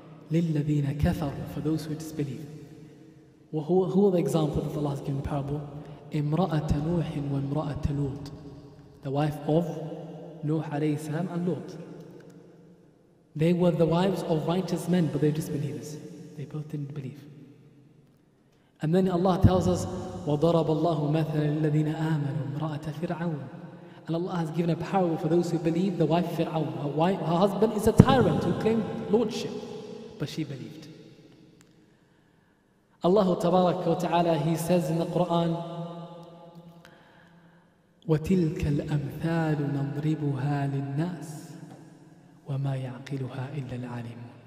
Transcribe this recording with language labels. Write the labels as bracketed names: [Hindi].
[Arabic] لِلَّذِينَ كَفَرُوا, [English] for those who disbelieve. Who are the examples that Allah has given the parable? [Arabic] إِمْرَأَةَ نُوحٍ وَإِمْرَأَةَ لُوطٍ. [English] The wife of Nuh alayhi salam and Lut. They were the wives of righteous men, but they're disbelievers. They both didn't believe. And then Allah tells us, [Arabic] وَضَرَبَ اللَّهُ مَثَلًا لِلَّذِينَ آمَنُوا امْرَأَةَ فِرْعَوْنَ. [English] And Allah has given a parable for those who believe, the wife Fir'aun. Her husband is a tyrant who claimed lordship, but she believed. Allah tabarak wa ta'ala, he says in the Quran, [Arabic] وَتِلْكَ الْأَمْثَالُ نَضْرِبُهَا لِلنَّاسِ وَمَا يَعْقِلُهَا إِلَّا الْعَالِمُ.